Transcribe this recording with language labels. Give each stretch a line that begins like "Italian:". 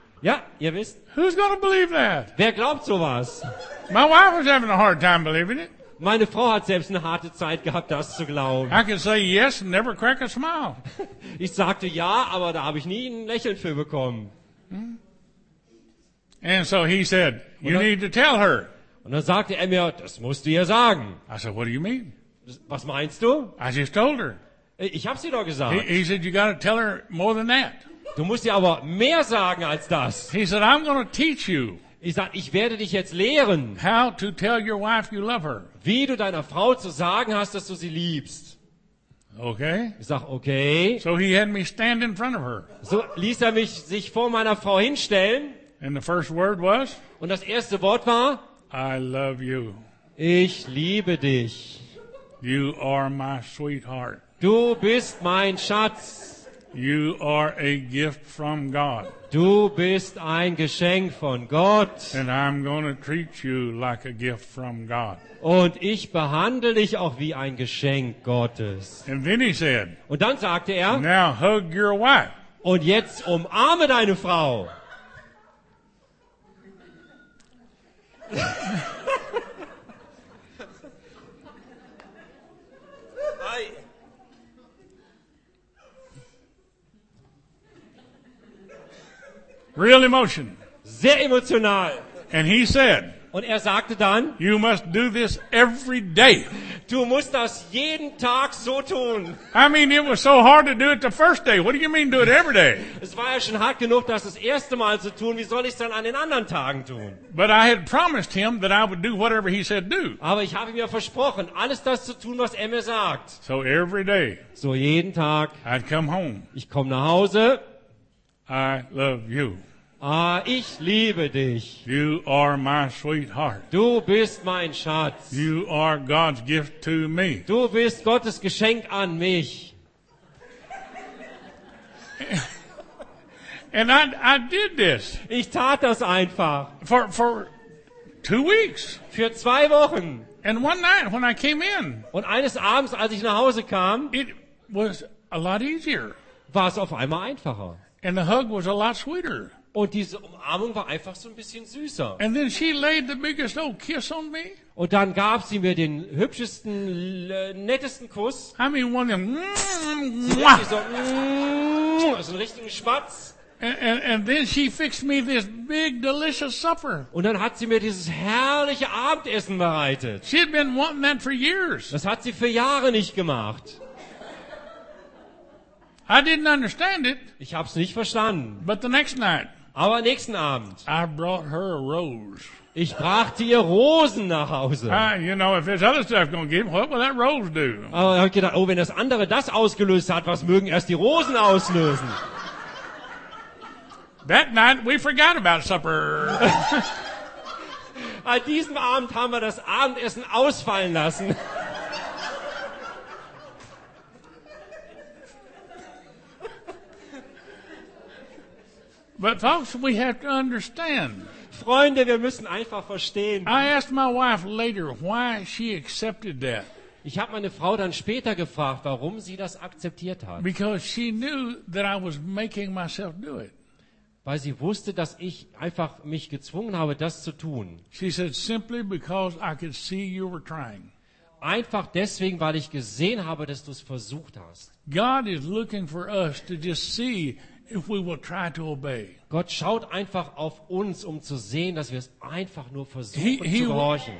German: Ja, ihr wisst.
English: Who's gonna believe that?
German: Wer glaubt sowas?
English: My wife was having a hard time believing it.
German: Meine Frau hat selbst eine harte Zeit gehabt, das zu glauben.
English: I can say yes, never crack a smile.
German: Ich sagte ja, aber da habe ich nie ein Lächeln für bekommen.
English: And so he said, you need to tell her.
German: Und dann sagte er mir, das musst du ihr sagen.
English: I said, what do you mean?
German: Was meinst du?
English: I just told her.
German: Ich habe sie doch gesagt.
English: He said, you got to tell her more than that.
German: Du musst ihr aber mehr sagen als das.
English: He said, I'm going to teach you.
German: Ich sage, ich werde dich jetzt lehren,
English: how to tell your wife you love her.
German: Wie du deiner Frau zu sagen hast, dass du sie liebst.
English: Okay.
German: Ich sage, okay.
English: So he had me stand in front of her.
German: So ließ mich sich vor meiner Frau hinstellen.
English: And the first word was,
German: und das erste Wort war,
English: I love you.
German: Ich liebe dich.
English: You are my sweetheart.
German: Du bist mein Schatz.
English: You are a gift from God.
German: Du bist ein Geschenk von Gott.
English: And I'm going to treat you like a gift from God.
German: Und ich behandle dich auch wie ein Geschenk Gottes.
English: And then he said,
German: und dann sagte er,
English: now hug your wife.
German: Und jetzt umarme deine Frau.
English: Real emotion.
German: Sehr emotional.
English: And he said,
German: und er sagte dann,
English: you must do this every day.
German: Du musst das jeden Tag so tun.
English: I mean, it was so hard to do it the first day. What do you mean do it every day?
German: Es war ja schon hart genug, das erste Mal zu tun. Wie soll ich es dann an den anderen Tagen tun?
English: But I had promised him that I would do whatever he said do.
German: Aber ich habe ihm ja versprochen, alles das zu tun, was mir sagt.
English: So every day.
German: So jeden Tag.
English: I'd come home.
German: Ich komme nach Hause.
English: I love you.
German: Ah, ich liebe dich.
English: You are my sweetheart.
German: Du bist mein Schatz.
English: You are God's gift to me.
German: Du bist Gottes Geschenk an mich.
English: And I did this.
German: Ich tat das einfach.
English: For 2 weeks.
German: Für 2 Wochen.
English: And one night when I came in.
German: Und eines Abends, als ich nach Hause kam,
English: it was a lot easier.
German: War es auf einmal einfacher.
English: And the hug was a lot sweeter.
German: Und diese Umarmung war einfach so ein bisschen süßer.
English: And then she laid the biggest old kiss on me.
German: Und dann gab sie mir den hübschesten, nettesten Kuss.
English: I mean, one of them.
German: So einen richtigen Spatz.
English: And then she fixed me this big, delicious supper.
German: Und dann hat sie mir dieses herrliche Abendessen bereitet.
English: She had been wanting that for years.
German: Das hat sie für Jahre nicht gemacht.
English: I didn't understand it.
German: Ich hab's nicht verstanden.
English: But the next night.
German: Aber nächsten Abend.
English: I brought her a rose.
German: Ich brachte ihr Rosen nach Hause.
English: You know, if there's other stuff gonna give, what will that rose do?
German: Aber ich hab gedacht, oh, wenn das andere das ausgelöst hat, was mögen erst die Rosen auslösen?
English: That night we forgot about supper.
German: An diesem Abend haben wir das Abendessen ausfallen lassen.
English: But folks, we have to understand.
German: Freunde, wir müssen einfach verstehen.
English: I asked my wife later why she accepted that.
German: Ich habe meine Frau dann später gefragt, warum sie das akzeptiert hat.
English: Because she knew that I was making myself do it.
German: Weil sie wusste, dass ich einfach mich gezwungen habe, das zu tun.
English: She said, simply because I could see you were trying.
German: Einfach deswegen, weil ich gesehen habe, dass du es versucht hast.
English: God is looking for us to just see if we will try to obey.
German: Gott schaut einfach auf uns, um zu sehen, dass wir es einfach nur versuchen zu gehorchen.